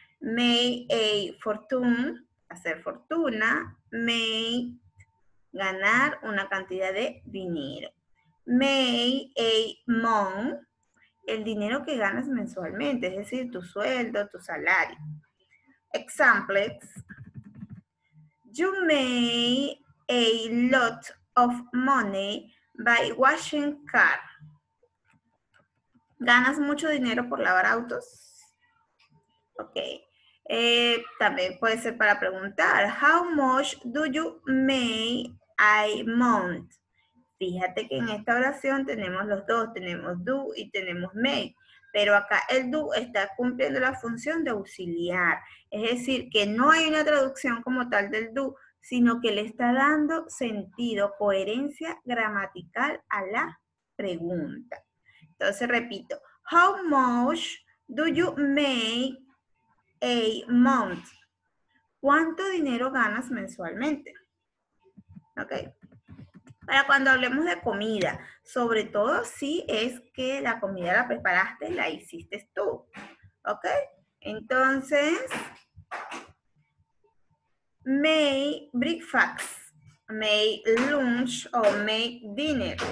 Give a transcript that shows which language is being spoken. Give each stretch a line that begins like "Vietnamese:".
English: Make a fortune,
Spanish: hacer fortuna. Make, ganar una cantidad de dinero.
English: Make a month,
Spanish: el dinero que ganas mensualmente, es decir, tu sueldo, tu salario.
English: Examples. You make a lot of money by washing car.
Spanish: ¿Ganas mucho dinero por lavar autos? Ok. También puede ser para preguntar,
English: how much do you make a month?
Spanish: Fíjate que en esta oración tenemos los dos, tenemos do y tenemos make. Pero acá el do está cumpliendo la función de auxiliar. Es decir, que no hay una traducción como tal del do, sino que le está dando sentido, coherencia gramatical a la pregunta. Entonces, repito,
English: how much do you make a month?
Spanish: ¿Cuánto dinero ganas mensualmente? ¿Ok? Para cuando hablemos de comida, sobre todo si es que la comida la preparaste, la hiciste tú.
English: ¿Ok? Entonces, make breakfast, make lunch o make dinner.